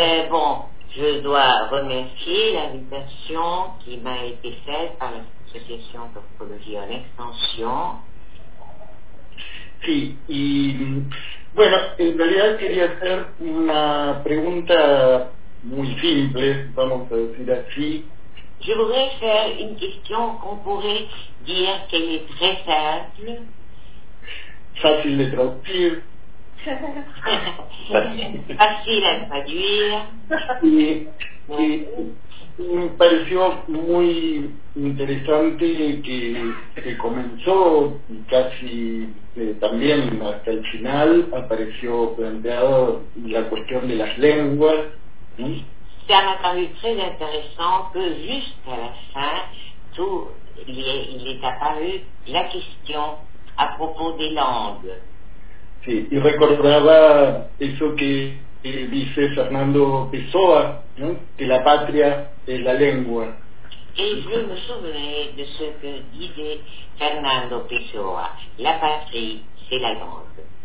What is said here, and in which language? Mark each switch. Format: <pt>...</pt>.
<fr>Bon, je dois remercier l'invitation qui m'a été faite par l'Association Topología en Extensión.</fr> <es>Sí, y bueno, en realidad quería hacer una pregunta muy simple, vamos a decir así.</es> <fr>Je voudrais faire une question qu'on pourrait dire qu'elle est très simple. Facile de traduire. Facile à traduire.</fr> <es>Et me pareció muy interesante que comenzó casi también hasta el final apareció planteado la cuestión de las lenguas.</es> <fr>Ça m'a paru très intéressant que jusqu'à la fin, tout il est apparu la question à propos des langues.</fr> <es>Sí, y recordaba eso que dice Fernando Pessoa, ¿no? Que la patria es la lengua.</es> <fr>Et je me souvenais de ce que disait Fernando Pessoa, la patrie, c'est la langue.</fr>